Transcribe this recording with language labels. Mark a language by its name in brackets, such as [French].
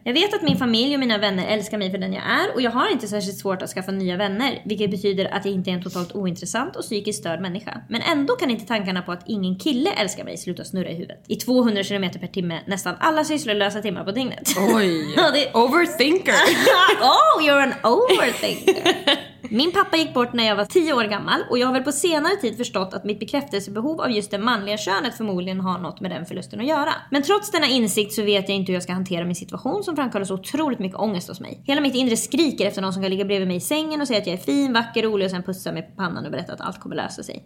[Swedish] Jag vet att min familj och mina vänner älskar mig för den jag är, och jag har inte särskilt svårt att skaffa nya vänner, vilket betyder att jag inte är en totalt ointressant och psykiskt störd människa. Men ändå kan inte tankarna på att ingen kille älskar mig sluta snurra i huvudet. I 200 km per timme nästan alla sysslolösa timmar på dygnet. Oj, det... overthinker. [English] Oh, you're an overthinker. [Swedish] Min pappa gick bort när jag var 10 år gammal, och jag har väl på senare tid förstått att mitt bekräftelsebehov av just det manliga könet förmodligen har något med den förlusten att göra. Men trots denna insikt så vet jag inte hur jag ska hantera min situation, som framkallar så otroligt mycket ångest hos mig. Hela mitt inre skriker efter någon som kan ligga bredvid mig i sängen och säga att jag är fin, vacker, rolig, och sen pussa mig på pannan och berätta att allt kommer lösa sig.